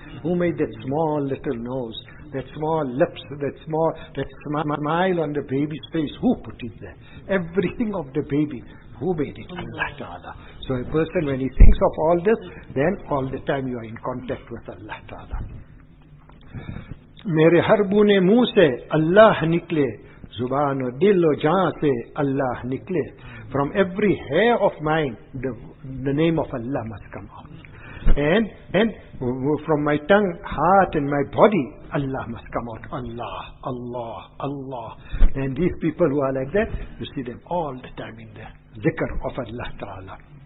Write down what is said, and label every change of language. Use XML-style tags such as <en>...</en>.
<en>Who made that small little nose? That small lips? That smile on the baby's face? Who put it there? Everything of the baby, who made it? Allah Ta'ala. So a person, when he thinks of all this, then all the time you are in contact with Allah Ta'ala.</en> <ur>میرے ہر بونے منہ سے اللہ نکلے زبان و دل و جان سے اللہ نکلے.</ur> <en>From every hair of mine the name of Allah must come out. And from my tongue, heart and my body Allah must come out. Allah, Allah, Allah. And these people who are like that, you see them all the time in the zikr of Allah Ta'ala.</en>